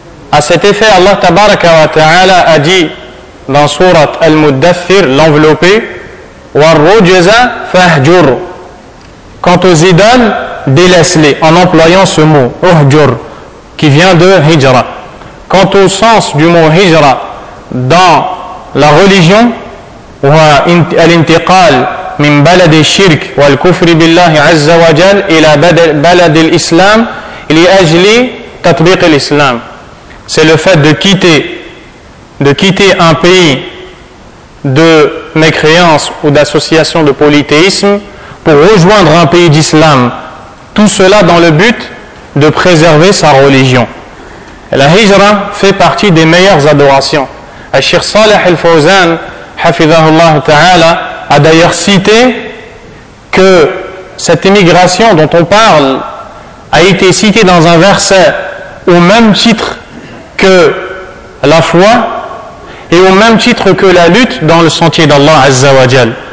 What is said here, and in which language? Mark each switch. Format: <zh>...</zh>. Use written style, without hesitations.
<fr>À cet effet, Allah tabaraka wa ta'ala a dit dans Sourate Al-Muddathir, l'enveloppé, «</fr> <ar>War-rujaza fahjur ».</ar> <fr>Quant aux idoles, délaisse-les, en employant ce mot « uhjur » qui vient de « hijra ». Quant au sens du mot « hijra » dans la religion,</fr> <ar>الانتقال من بلد الشرك والكفر بالله عز وجل إلى بلد الإسلام لأجل تطبيق الإسلام.</ar> <fr>C'est le fait de quitter un pays de mécréance ou d'association de polythéisme pour rejoindre un pays d'islam. Tout cela dans le but de préserver sa religion. La hijra fait partie des meilleures adorations. Al-Sheikh Saleh Al-Fawzan Hafizahullah Ta'ala a d'ailleurs cité que cette immigration dont on parle a été citée dans un verset au même titre que la foi et au même titre que la lutte dans le sentier d'Allah Azza wa Jal.</fr>